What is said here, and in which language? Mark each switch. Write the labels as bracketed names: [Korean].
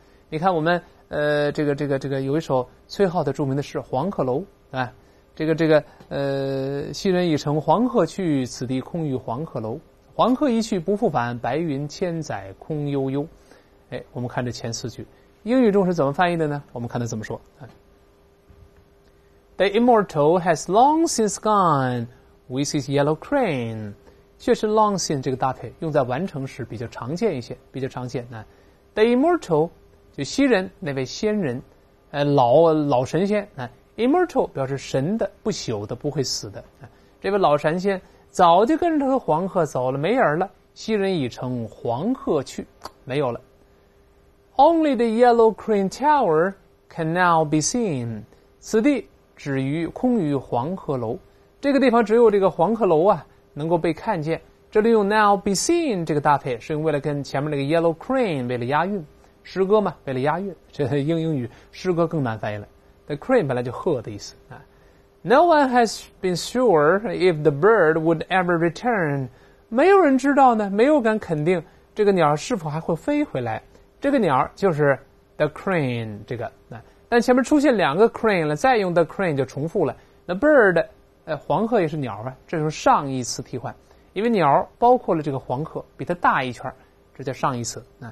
[Chinese] 你看我们这个有一首崔颢的著名的诗《黄鹤楼》，昔人已乘黄鹤去，此地空余黄鹤楼，黄鹤一去不复返，白云千载空悠悠。哎，我们看这前四句英语中是怎么翻译的呢？我们看它怎么说。 [English] The immortal has long since gone with his yellow crane. [Chinese] 确实 [English] long since [Chinese] 这个搭配用在完成时比较常见一些，比较常见。 [English] The immortal [Chinese] 就昔人那位仙人，老神仙。 Immortal 表示神的，不朽的，不会死的。这位老神仙早就跟着黄鹤走了，没影了。昔人已乘黄鹤去，没有了。 [English] Only the yellow crane tower can now be seen. [Chinese] 此地只余空余黄鹤楼，这个地方只有这个黄鹤楼啊能够被看见。这里用 [English] now be seen [Chinese] 这个搭配，是为了跟前面那个 [English] yellow crane [Chinese] 为了押韵，诗歌嘛，为了押韵。这英语诗歌更难翻译了。 [English] The crane [Chinese] 本来就鹤的意思啊。 [English] No one has been sure if the bird would ever return. [Chinese] 没有人知道呢，没有敢肯定这个鸟是否还会飞回来。这个鸟就是 [English] the crane [Chinese] 这个，但前面出现两个 crane 了，再用 the crane 就重复了。那 bird 黄鹤也是鸟啊，这是上一次替换，因为鸟包括了这个黄鹤，比它大一圈，这叫上一次。